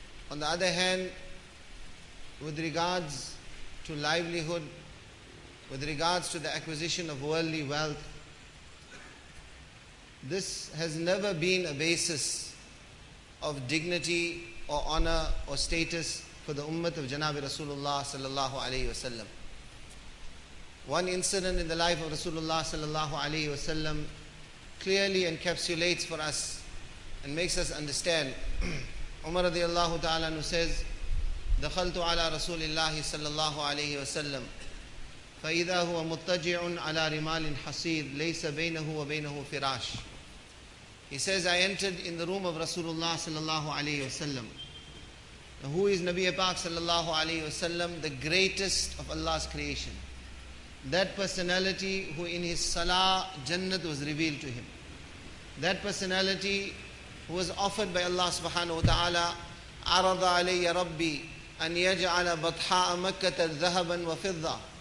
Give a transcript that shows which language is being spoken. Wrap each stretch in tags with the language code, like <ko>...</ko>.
<en>On the other hand, with regards to livelihood, with regards to the acquisition of worldly wealth, this has never been a basis of dignity or honor or status for the ummah of Janab Rasulullah sallallahu alaihi wasallam. One incident in the life of Rasulullah sallallahu alaihi wasallam clearly encapsulates for us and makes us understand. Umar radiallahu ta'ala who says,</en> <ar>دخلت على رسول الله صلى الله عليه وسلم فإذا هو مضطجع على رمال حصيد ليس بينه وبينه فراش.</ar> <en>He says, I entered in the room of Rasulullah</en> <ar>صلى الله عليه وسلم.</ar> <en>Now, who is Nabi Pak</en> <ar>صلى الله عليه وسلم?</ar> <en>The greatest of Allah's creation. That personality who in his salah, Jannat was revealed to him. That personality who was offered by Allah subhanahu wa ta'ala,</en> <ar>عرض علي ربي أن يجعل بطحاء مكة ذهبا وفضة.</ar>